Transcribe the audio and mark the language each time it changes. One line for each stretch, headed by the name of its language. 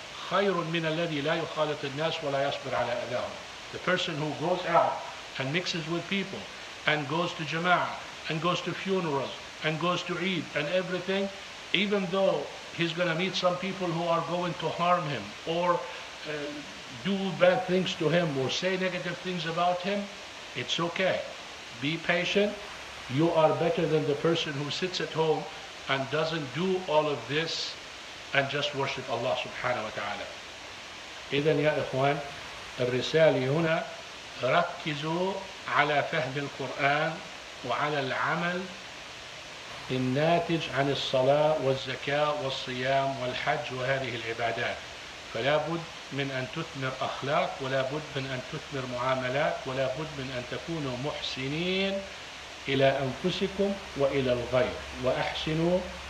Arabic: خير من الذي لا يخالط الناس ولا يصبر على أذاهم
English: The person who goes out and mixes with people and goes to jama'ah and goes to funerals and goes to Eid and everything, even though he's going to meet some people who are going to harm him or do bad things to him or say negative things about him, it's okay. Be patient. You are better than the person who sits at home and doesn't do all of this and just worship Allah subhanahu wa ta'ala.
Arabic: إذن يا إخوان الرسالة هنا ركزوا على فهم القرآن وعلى العمل الناتج عن الصلاة والزكاة والصيام والحج وهذه العبادات فلا بد من أن تثمر أخلاق ولا بد من أن تثمر معاملات ولا بد من أن تكونوا محسنين إلى أنفسكم وإلى الغير وأحسنوا